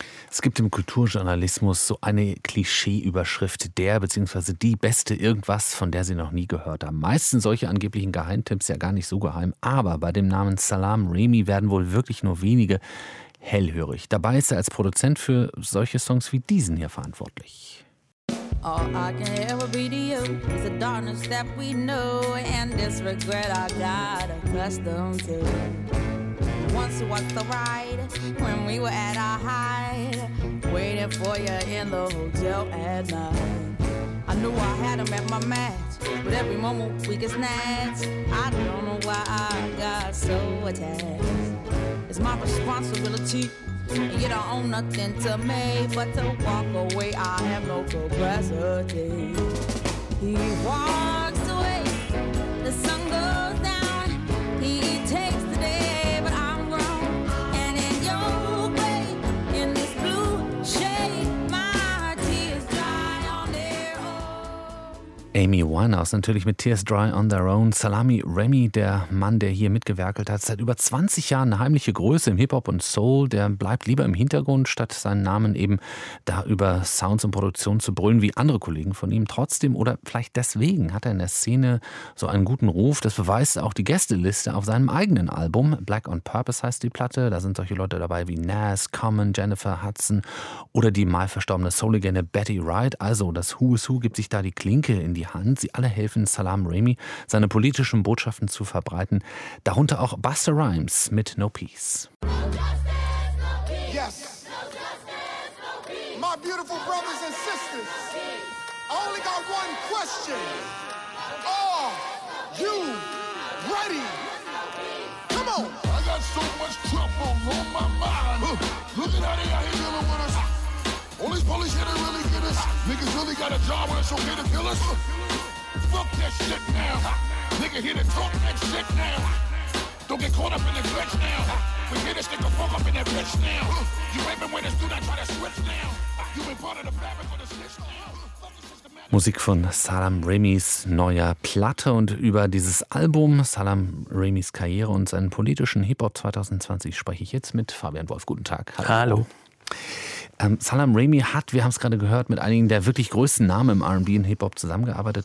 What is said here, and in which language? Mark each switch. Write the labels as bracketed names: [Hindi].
[German] Es gibt im Kulturjournalismus so eine Klischeeüberschrift, der bzw. die beste irgendwas, von der Sie noch nie gehört haben. Meistens solche angeblichen Geheimtipps ja gar nicht so geheim, aber bei dem Namen Salam Remy werden wohl wirklich nur wenige hellhörig. Dabei ist er als Produzent für solche Songs wie diesen hier verantwortlich. [English] All I can ever be to you is the darkness that we know and this regret I got accustomed to. Once was the ride when we were at our height, waiting for you in the hotel at night. I knew I had him at my match, but every moment we could snatch. I don't know why I got so attached. It's my responsibility. You don't own nothing to me but to walk away. I have no capacity. He walks away, the sun goes down. He takes the day, but I'm grown. And in your way, in this blue shade, my tears dry on their own. [German] Amy Winehouse natürlich mit Tears Dry on Their Own. Salami Remy, der Mann, der hier mitgewerkelt hat, seit über 20 Jahren eine heimliche Größe im Hip-Hop und Soul, der bleibt lieber im Hintergrund, statt seinen Namen eben da über Sounds und Produktion zu brüllen, wie andere Kollegen von ihm. Trotzdem oder vielleicht deswegen hat er in der Szene so einen guten Ruf. Das beweist auch die Gästeliste auf seinem eigenen Album. Black on Purpose heißt die Platte. Da sind solche Leute dabei wie Nas, Common, Jennifer Hudson oder die mal verstorbene Soul-Legende Betty Wright. Also das Who is Who gibt sich da die Klinke in die Hand. Sie alle helfen Salam Remy, seine politischen Botschaften zu verbreiten, darunter auch Busta Rhymes mit No Peace. [English] Yes. My beautiful brothers and sisters, I only got one question. Are you ready? Come on. I got so much trouble on my mind. Look at how they out here dealing with us. All these police here to really get us. Niggas really got a job where it's okay to kill us. Fuck that shit now. Nigga here to talk that shit now. Don't get caught up in the glitch now. We hear this nigga fuck up in that bitch now. You ain't been witness, do not try to switch now. You been part of the fabric of the snitch now. [German] Musik von Salam Remys neuer Platte und über dieses Album, Salam Remys Karriere und seinen politischen Hip-Hop 2020 spreche ich jetzt mit Fabian Wolf. Guten Tag. Hallo. Hallo. Salam Remy hat, wir haben es gerade gehört, mit einigen der wirklich größten Namen im R&B und Hip-Hop zusammengearbeitet.